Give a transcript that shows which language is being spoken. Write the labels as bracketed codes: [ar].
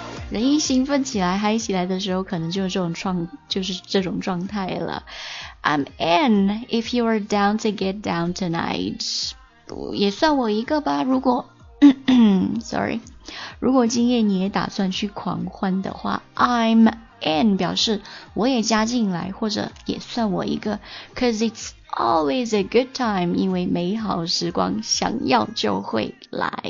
[zh] 人一兴奋起来嗨起来的时候可能就是这种状态了。 [en] I'm in if you are down to get down tonight， [zh] 也算我一个吧。如果sorry， 如果今夜你也打算去狂欢的话， [en] I'm in [zh] 表示我也加进来或者也算我一个。 [en] Cause it's always a good time， [zh] 因为美好时光想要就会来。